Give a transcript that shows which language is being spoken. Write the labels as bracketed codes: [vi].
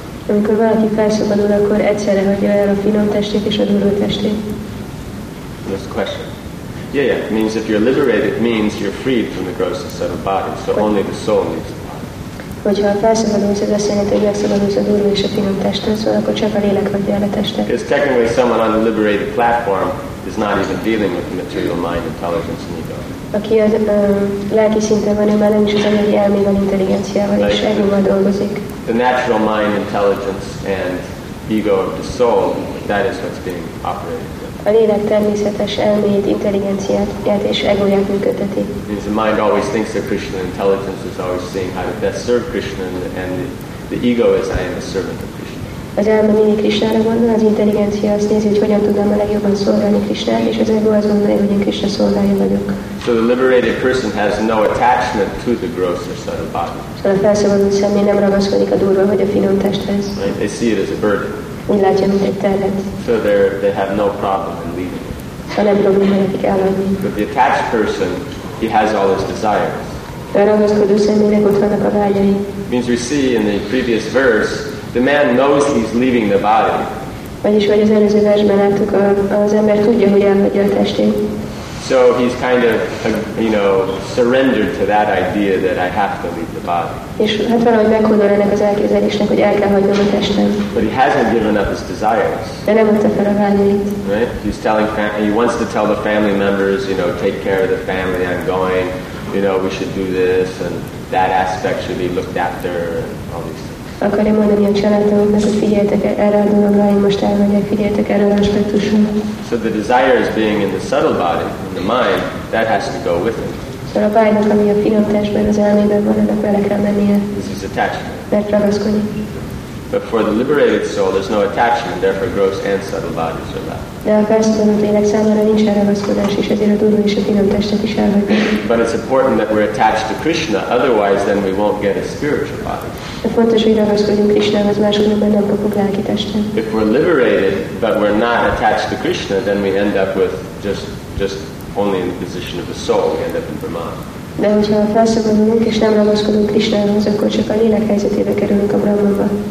[hu] Amikor valaki felszabadul, akkor egyszerre hagyja el a finom testét és a durva testét. [en] This question. Yeah, yeah. It means if you're liberated, it means you're freed from the gross and subtle body. So only the soul needs the body. Because technically someone on the liberated platform is not even dealing with the material mind, intelligence, and ego. [hu] Aki az lelki szinten van, ő már nem is az anyagi elmével, intelligenciával és egóval dolgozik. [en] The natural mind, intelligence, and ego of the soul, that is what's being operated. [hu] A lélek természetes elmét, intelligenciáját és egóját működteti. [en] Means the mind always thinks of Krishna, intelligence is always seeing how to best serve Krishna, and the ego is I am a servant of Krishna. [hu] az elme mindig Krisnára gondol, az intelligencia azt nézi, hogy hogyan tudnám a legjobban szolgálni Krisnát, és az ego azt gondolja, hogy én Krisna szolgálja vagyok. [en] So the liberated person has no attachment to the grosser subtle body. [hu] Szóval a felszabadult személy nem ragaszkodik a durva vagy a finom testhez. [en] Right? They see it as a burden. [hu] Úgy látja, mint egy terhet. [en] So they have no problem in leaving. [hu] Szóval nem probléma nekik elmenni. [en] But the attached person, he has all his desires. Means we see in the previous verse, the man knows he's leaving the body. [hu] Vagyis vagy az előző versben láttuk, az ember tudja, hogy elhagyja a testét. [en] So he's kind of, you know, surrendered to that idea that I have to leave the body. [hu] És hát valahogy meghódol ennek az elképzelésnek, hogy el kell hagynom a testem. [en] But he hasn't given up his desires. [hu] De nem adta fel a vágyait. [en] Right? He's telling he wants to tell the family members, you know, take care of the family, I'm going. You know, we should do this, and that aspect should be looked after, and all these things. [hu] Akarja mondani a családomnak, hogy figyeljetek erre a dologra, én most elmegyek, figyeljetek erre az aspektusra. [en] So the desire is being in the subtle body, in the mind, that has to go with it. [hu] Szóval a vágynak, ami a finom testben, az elmében van, annak vele kell mennie. [en] This is attachment. [hu] Mert ragaszkodik. [en] But for the liberated soul, there's no attachment, therefore gross and subtle bodies are left. [hu] De a felszabadult lélek számára nincs elragaszkodás, és ezért a durva és a finom testet is elhagyja. [en] But it's important that we're attached to Krishna, otherwise then we won't get a spiritual body. [hu] De fontos, hogy ragaszkodjunk Krishnához, máskülönben nem kapunk lelki testet. [en] If we're liberated, but we're not attached to Krishna, then we end up with just only in the position of a soul, we end up in Brahman. [hu] De hogyha felszabadulunk és nem ragaszkodunk Krishnához, akkor csak a lélek helyzetébe kerülünk a Brahmanba.